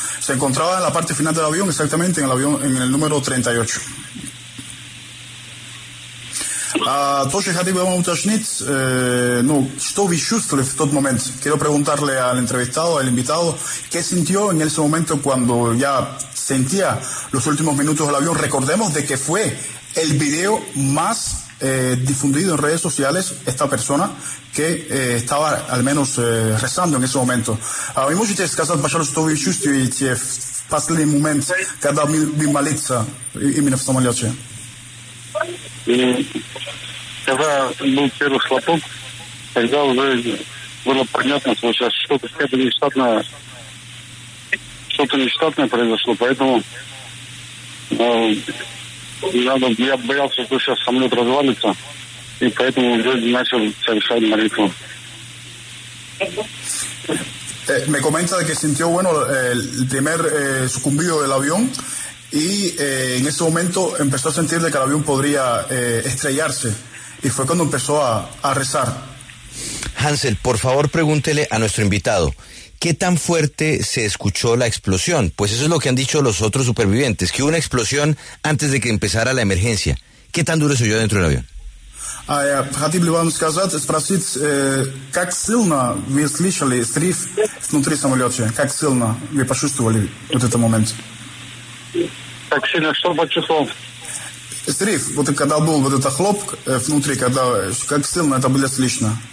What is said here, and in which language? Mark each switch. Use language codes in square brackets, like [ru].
[es] Se encontraba en la parte final del avión, exactamente, en el avión, en el número 38. [ru] А то, что я хотел бы вам уточнить, ну, что вы чувствовали в тот момент? [es] Quiero preguntarle al entrevistado, al invitado, ¿qué sintió en ese momento cuando ya sentía los últimos minutos del avión? Recordemos de que fue el video más difundido en redes sociales, esta persona que estaba al menos rezando en ese momento. [ru] А вы можете сказать, пожалуйста, что вы чувствуете в последний момент, когда вы молиться именно в самолете? И когда был первый хлопок, тогда уже было понятно, что сейчас что-то нештатное произошло, поэтому я боялся, что сейчас самолет развалится, и поэтому уже начал совершать молитву. [es] Me comenta que sintió bueno el primer sucumbido del avión. Y en ese momento empezó a sentir de que el avión podría estrellarse. Y fue cuando empezó a rezar. Hansel, por favor pregúntele a nuestro invitado, ¿qué tan fuerte se escuchó la explosión? Pues eso es lo que han dicho los otros supervivientes, que hubo una explosión antes de que empezara la emergencia. ¿Qué tan duro se oyó dentro del avión? [ru] Хотел бы вам сказать, спросить, как сильно вы слышали взрыв внутри самолета? Как сильно вы почувствовали вот этот момент? Так сильно, что почувствовал? Срыв, вот когда был вот этот хлоп внутри, когда как сильно это было слышно.